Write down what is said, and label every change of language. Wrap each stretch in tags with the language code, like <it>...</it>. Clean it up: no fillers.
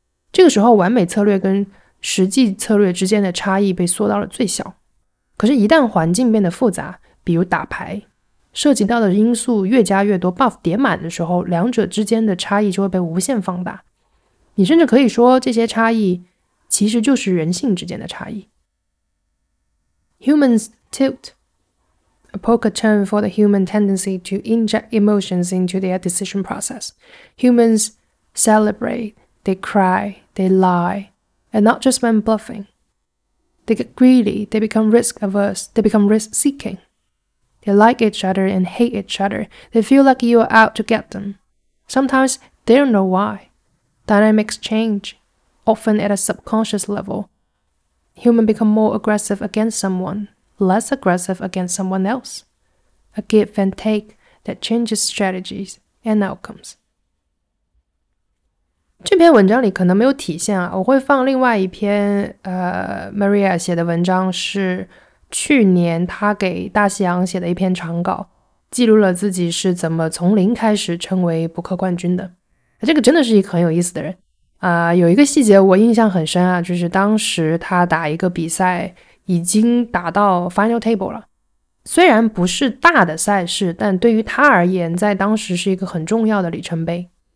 <zh>这个时候完美策略跟实际策略之间的差异被缩到了最小。可是一旦环境变得复杂，比如打牌，涉及到的因素越加越多， buff 叠满的时候，两者之间的差异就会被无限放大。你甚至可以说这些差异其实就是人性之间的差异。</zh> <en>Humans tilt, a poker term for the human tendency to inject emotions into their decision process. Humans celebrate, they cry, they lie, and not just when bluffing. They get greedy, they become risk-averse, they become risk-seeking. They like each other and hate each other, they feel like you are out to get them. Sometimes they don't know why. Dynamics change, often at a subconscious level. Humans become more aggressive against someone,less aggressive against someone else. A give and take that changes strategies and outcomes.</en> <zh>这篇文章里可能没有体现啊，我会放另外一篇Maria 写的文章，是去年他给大西洋写的一篇长稿，记录了自己是怎么从零开始成为扑克冠军的。这个真的是一个很有意思的人。有一个细节我印象很深啊，就是当时他打一个比赛已经打到 final table 了，虽然不是大的赛事，但对于他而言在当时是一个很重要的里程碑。</zh>